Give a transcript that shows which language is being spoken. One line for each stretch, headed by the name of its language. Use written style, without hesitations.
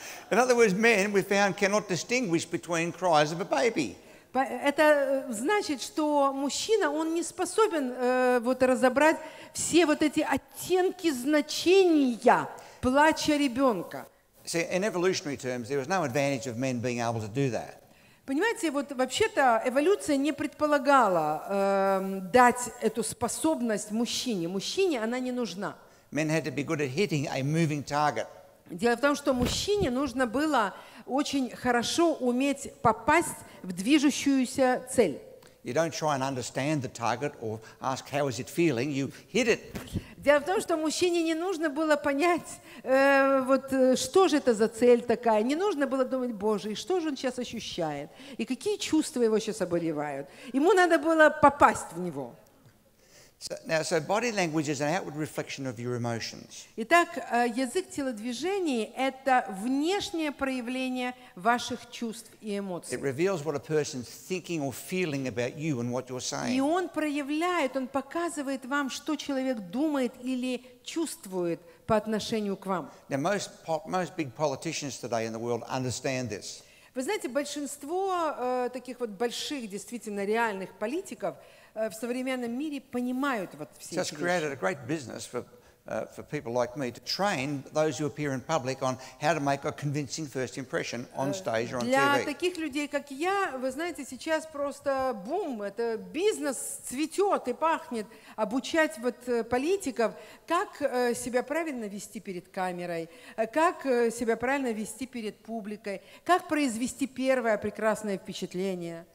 English: In other words, men, we found, cannot distinguish between cries of a baby.
Russian: Это значит, что мужчина, он не способен вот разобрать все вот эти оттенки значения плача ребенка.
English: See, in evolutionary terms, there was no advantage of men being able to do that.
Russian: Понимаете, вот вообще-то эволюция не предполагала дать эту способность мужчине. Мужчине она не нужна.
English: Men had to be good at hitting a moving target.
Russian: Дело в том, что мужчине нужно было очень хорошо уметь попасть в движущуюся цель.
English: You don't try and understand the target or ask how is it feeling, you hit it.
Russian: Дело в том, что мужчине не нужно было понять, вот, что же это за цель такая. Не нужно было думать, Боже, и что же он сейчас ощущает? И какие чувства его сейчас обуревают? Ему надо было попасть в него.
English: So body language is an outward reflection of your emotions.
Russian: Итак, язык телодвижений – это внешнее проявление ваших чувств и эмоций.
English: It reveals what a person's thinking or feeling about you and what you're saying.
Russian: И он проявляет, он показывает вам, что человек думает или чувствует по отношению к вам.
English: Now most big politicians today in the world understand this.
Russian: Вы знаете, большинство таких вот больших, действительно реальных политиков в современном мире понимают вот все эти вещи.
English: Just created a great business for people like me to train those who appear in public on how to make a convincing first impression on stage or on TV.
Russian: Для таких людей, как я, вы знаете, сейчас просто бум, это бизнес цветет и пахнет, обучать вот политиков, как себя правильно вести перед камерой, как себя правильно вести перед публикой, как произвести первое прекрасное впечатление.